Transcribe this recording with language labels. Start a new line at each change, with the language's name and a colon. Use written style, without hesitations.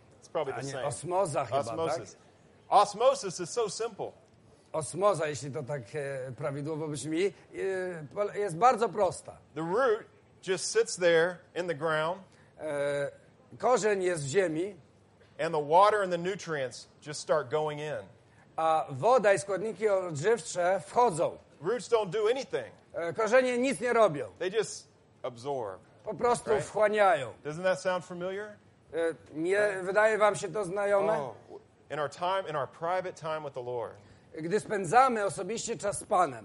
English: It's probably the same.
Polish: Osmoza chyba, osmosis. Tak?
English: Osmosis is so simple.
Polish: Osmoza, jeśli to tak prawidłowo brzmi, jest bardzo prosta.
English: The root just sits there in the ground.
Polish: Korzeń jest w ziemi.
English: And the water and the nutrients just start going in.
Polish: A woda i składniki odżywcze wchodzą.
English: Roots don't do anything.
Polish: Korzenie nic nie robią.
English: They just absorb.
Polish: Po prostu wchłaniają.
English: Doesn't that sound familiar?
Polish: Nie wydaje wam się to znajome?
English: In our time, in our private time with the Lord.
Polish: Gdy spędzamy osobiście czas z Panem.